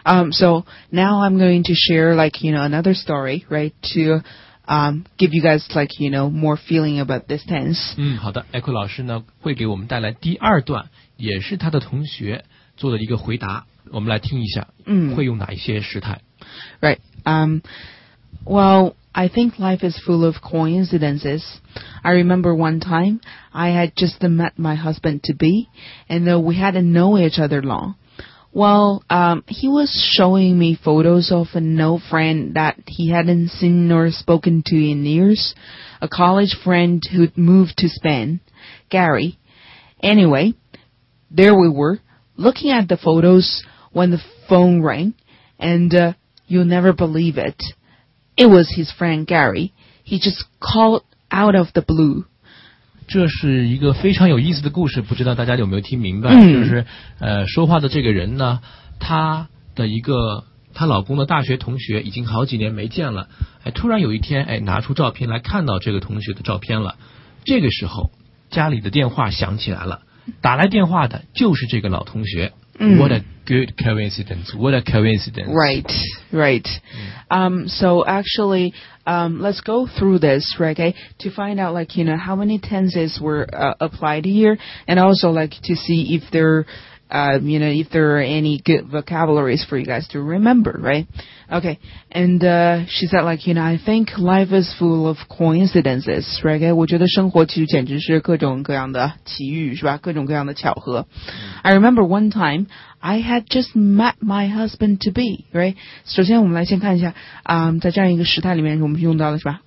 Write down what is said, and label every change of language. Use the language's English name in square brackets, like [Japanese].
[English] So now I'm going to share, like, you know, another story, right, to give you guys, like, you know, more feeling about this tense. [Chinese] 好的 ,Echo 老师呢会给我们带来第二段，也是他的同学做的一个回答，我们来听一下会用哪一些时态。 [English] Right, well, I think life is full of coincidences. I remember one time,I had just met my husband-to-be, and we hadn't known each other long. Well, he was showing me photos of an old friend that he hadn't seen or spoken to in years, a college friend who'd moved to Spain, Gary. Anyway, there we were, looking at the photos when the phone rang, and you'll never believe it. It was his friend Gary. He just called out of the blue. [Chinese] 这是一个非常有意思的故事，不知道大家有没有听明白，就是说话的这个人呢，他的一个他老公的大学同学已经好几年没见了，哎，突然有一天，哎，拿出照片来看到这个同学的照片了，这个时候家里的电话响起来了，打来电话的就是这个老同学。 [English] What a good coincidence. What a coincidence. Right, right. So actually, let's go through this, right, okay, to find out, like, you know, how many tenses were applied here, and also, like, to see if there, you know, if there are any good vocabularies for you guys to remember, right? Okay, and she said, like, you know, I think life is full of coincidences, right, okay? [Chinese] 我觉得生活其实简直是各种各样的奇遇，是吧？各种各样的巧合。 [English] I remember one time, I had just met my husband-to-be, right? [Chinese] 首先我们来先看一下，在这样一个时态里面我们用到了，是吧？